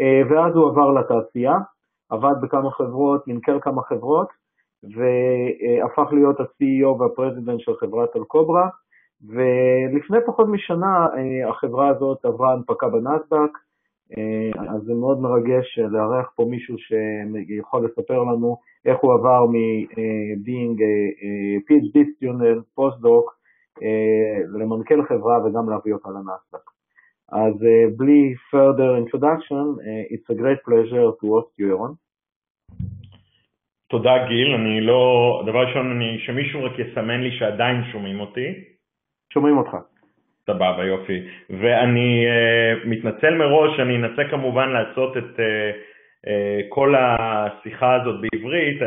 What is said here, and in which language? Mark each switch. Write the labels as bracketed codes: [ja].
[he] ואז הוא עבר לתעשייה, עבד בכמה חברות, נמכר כמה חברות, והפך להיות ה-CEO והפרזידנט של חברת אלקוברה, ולפני פחות משנה החברה הזאת עברה הנפקה בנאסדאק, אז זה מאוד מרגש לארח פה מישהו שיכול לספר לנו איך הוא עבר מ- [en] being PhD student, [he] פוסט-דוק, למנכ"ל חברה וגם להביא אותה לנאסדאק. אז בלי [en] further introduction, it's a great pleasure to host you, Ron. [he] תודה, גיל. אני לא, הדבר ראשון, שמישהו רק יסמן לי שעדיין שומעים אותי. שומעים אותך. סבבה, יופי. ואני מתנצל מראש, אני אנסה כמובן לעשות את כל השיחה הזאת בעברית.